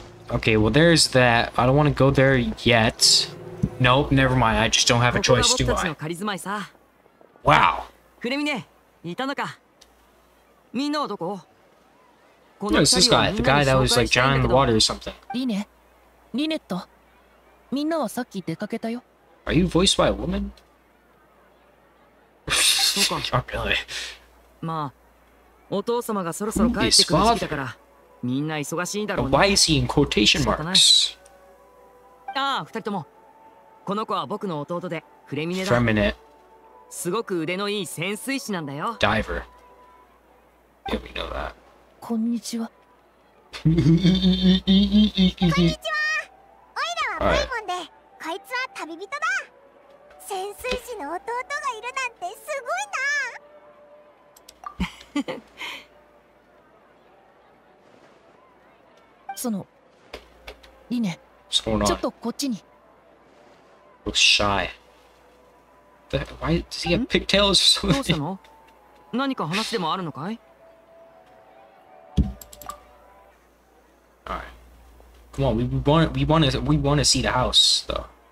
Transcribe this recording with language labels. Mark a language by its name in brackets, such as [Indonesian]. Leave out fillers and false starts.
[English] Okay, well, there's that. I don't want to go there yet. Nope, never mind. I just don't have a choice, do I? Wow. [Japanese] クレミネ、いたのか。みんなはどこ？この人、 [English] this guy, the guy that was like drowning in the water or something. [Japanese] リネ、リネット。みんなはさっき出かけたよ。 [English] Are you voiced by a woman? [Japanese] そうか。 [English] Not really. [Japanese] まあ、お父様がそろそろ帰ってくる時期だから、みんな忙しいだろうね。 [English] Why is he in quotation marks? [Japanese] ああ、二人とも。この子は僕の弟でクレミネだ。クレミネ。すごく腕のいい潜水士なんだよ。 [English] ダイバー。Yeah, we know that. [Japanese] こんにちは。こんにちは。オイラはパイモンで、こいつは旅人だ。潜水士の弟がいるなんてすごいな。その、リネ、ちょっとこっちに。 [English] Looks shy. Why does he have pigtails or something? [Japanese] 何か話でもあるのかい？ [English] Alright. Come on, we want to see the house, though.